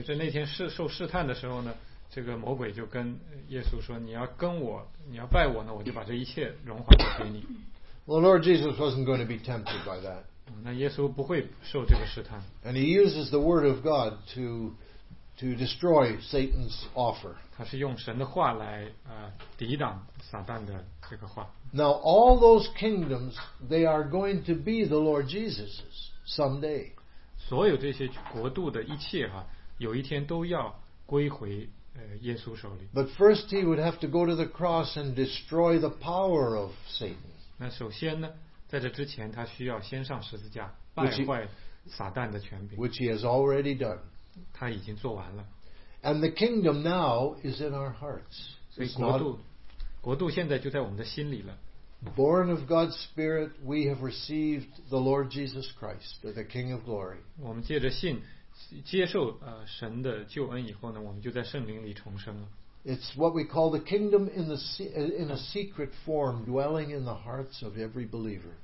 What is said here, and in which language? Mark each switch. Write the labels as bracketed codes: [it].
[zh] 所以在那天受试探的时候呢。这个魔鬼就跟耶稣说，你要跟我，你要拜我呢，我就把这一切荣华都给你。 [en] The Lord Jesus wasn't going to be tempted by that. [zh] 那耶稣不会受这个试探。 [en] And he uses the word of God to destroy Satan's offer. [zh] 他是用神的话来抵挡撒旦的这个话。 [en] Now all those kingdoms, they are going to be the Lord Jesus's someday. [zh] 所有这些国度的一切哈，有一天都要归回。 [en] But first he would have to go to the cross and destroy the power of Satan. [zh] 那首先呢，在这之前他需要先上十字架，败坏撒旦的权柄。 [en] Which he has already done. [zh] 他已经做完了。 [en] And the kingdom now is in our hearts. [zh] 所以国度现在就在我们的心里了。 [en] Born of God's Spirit, we have received the Lord Jesus Christ, the King of Glory. [zh] 我们借着信接受神的救恩以后呢，我们就在圣灵里重生了。 [en] It's what we call the kingdom in a secret form, dwelling in the hearts of every believer.